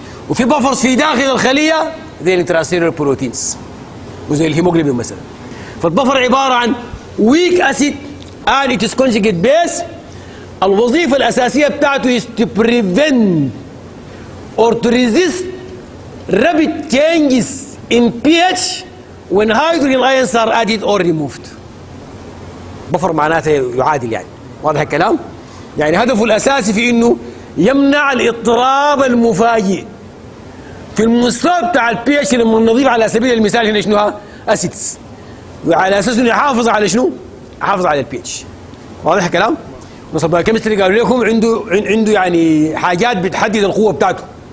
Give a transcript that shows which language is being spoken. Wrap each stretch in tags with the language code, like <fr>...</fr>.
<ar>وفي buffers في داخل الخليه زي الانتراسيلولار بروتينز وزي الهيموجلوبين مثلا. فالبفر عباره عن</ar> <en>weak acid and it is conjugate base.</en> <ar>الوظيفه الاساسيه بتاعته</ar> <en>is to prevent or to resist rapid changes in pH when hydrogen ions are added or removed.</en> <ar>بفر معناته يعادل يعني، واضح الكلام؟ يعني هدفه الاساسي في انه يمنع الاضطراب المفاجئ في المستوى بتاع البي اتش لما نضيف على سبيل المثال هنا شنو ها؟ اسيدز. وعلى اساس انه يحافظ على شنو؟ يحافظ على البي اتش. واضح الكلام؟ نصب الكيمستري قالوا لكم عنده يعني حاجات بتحدد القوه بتاعته.</ar>